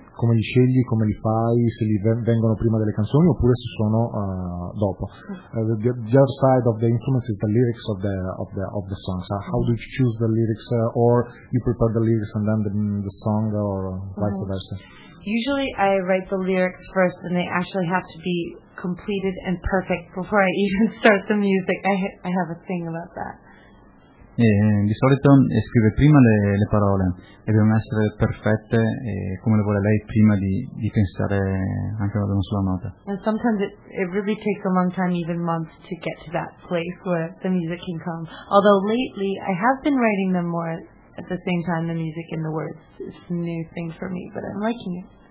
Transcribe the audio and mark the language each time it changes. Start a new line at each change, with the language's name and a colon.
Italian: Come li scegli, come li fai, se li vengono prima delle canzoni oppure se sono dopo.
English: The other side of the instruments is the lyrics of the song. So how do you choose the lyrics or you prepare the lyrics and then the song or vice versa? Usually I write the lyrics first and they actually have to be completed and perfect before I even start the music. I have a thing about that.
Italian: Di solito scrive prima le parole e devono essere perfette come le vuole lei prima di pensare anche ad una sola nota.
English: And sometimes it really takes a long time, even months, to get to that place where the music can come. Although lately I have been writing them more at the same time, the music and the words. It's a new thing for me, but I'm liking it.